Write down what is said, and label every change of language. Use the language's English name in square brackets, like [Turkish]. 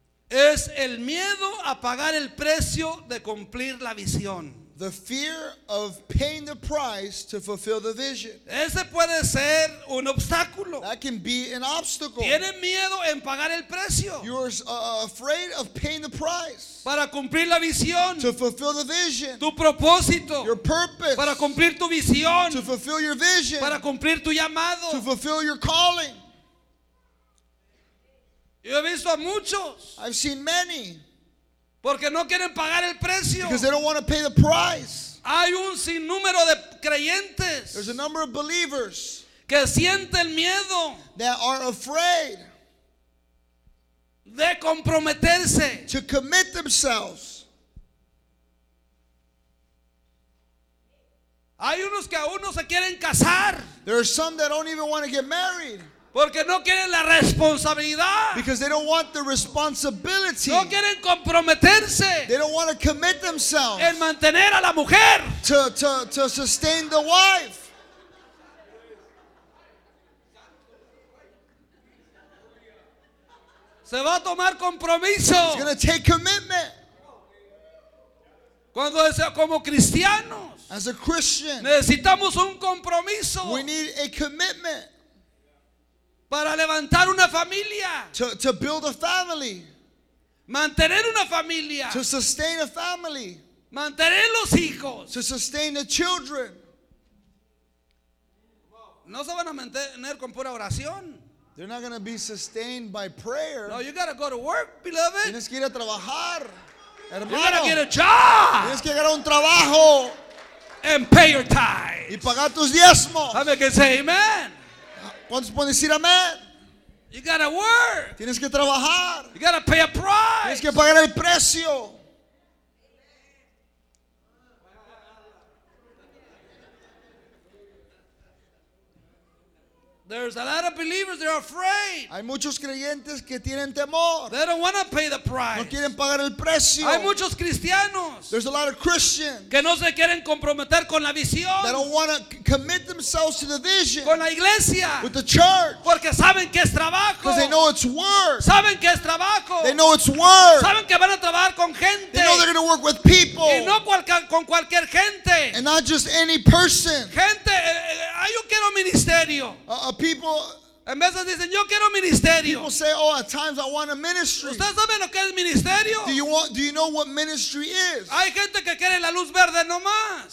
[Spanish] Es el miedo a pagar el precio de cumplir la visión. [English] The fear of paying the price to fulfill the vision. [Spanish] Ese puede ser un obstáculo. [English] That can be an obstacle. [Spanish] Tienen miedo en pagar el precio. [English] You're afraid of paying the price. [Spanish] Para cumplir la visión. [English] To fulfill the vision. [Spanish] Tu propósito. [English] Your purpose. [Spanish] Para cumplir tu visión. [English] To fulfill your vision. [Spanish] Para cumplir tu llamado. [English] To fulfill your calling. [Spanish] Yo he visto a muchos. [English] I've seen many. [Spanish] Porque no quieren pagar el precio. [English] Because they don't want to pay the price. [Spanish] Hay un sinnúmero de creyentes. [English] There's a number of believers. [Spanish] Que sienten miedo. [English] That are afraid. [Spanish] De comprometerse. [English] To commit themselves. [Spanish] Hay unos que aún no se quieren casar. [English] There are some that don't even want to get married. [Spanish] Porque no quieren la responsabilidad. [English] Because they don't want the responsibility. [Spanish] No quieren comprometerse. [English] They don't want to commit themselves. [Spanish] En mantener a la mujer. [English] To sustain the wife. [Spanish] Se va a tomar compromiso. [English] It's going to take commitment. [Spanish] Cuando sea como cristianos. [English] As a Christian. [Spanish] Necesitamos un compromiso. [English] We need a commitment. [Spanish] Para levantar una familia. [English] To build a family. [Spanish] Mantener una familia. [English] To sustain a family. [Spanish] Mantener los hijos. [English] To sustain the children. [Spanish] No se van a mantener con pura oración. [English] They're not going to be sustained by prayer. No, you got to go to work, beloved. [Spanish] Tienes que ir a trabajar, hermano. [English] You got to get a job. [Spanish] Tienes que llegar a un trabajo. [English] And pay your tithes. [Spanish] Y pagar tus diezmos. Dame que say amen. ¿Cuántos pueden decir amén? [English] You gotta work. [Spanish] Tienes que trabajar. [English] You gotta pay a price. [Spanish] Tienes que pagar el precio. [English] There's a lot of believers that are afraid. [Spanish] Hay muchos creyentes que tienen temor. [English] They don't want to pay the price. [Spanish] No quieren pagar el precio. Hay muchos cristianos. [English] There's a lot of Christians. [Spanish] Que no se quieren comprometer con la visión. [English] They don't want to commit themselves to the vision. [Spanish] Con la iglesia. [English] With the church. [Spanish] Porque saben que es trabajo. [English] Because they know it's work. [Spanish] Saben que es trabajo. [English] They know it's work. [Spanish] Saben que van a trabajar con gente. [English] They know they're going to work with people. [Spanish] Y no con cualquier gente. [English] And not just any person. [Spanish] Gente, yo quiero ministerio. [English] People say, oh, at times I want a ministry. [Spanish] ¿Usted sabe lo que es ministerio? [English] Do you know what ministry is? [Spanish] Hay gente que quiere la luz verde nomás.